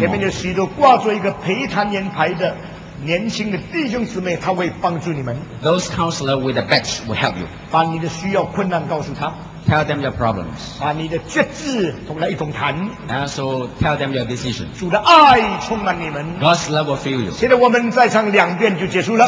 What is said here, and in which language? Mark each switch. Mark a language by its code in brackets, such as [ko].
[zh] 前面有许多挂着一个陪谈年牌的年轻的弟兄姊妹，他会帮助你们。 [en] Those counselors with a badge will help you. [zh] 把你的需要、困难告诉他。 [en] Tell them your problems. [zh] 把你的决志同他一同谈。 [en] And so tell them your decision. [zh] 主的爱充满你们。 [en] God's love will fill you. [zh] 现在我们再唱两遍就结束了。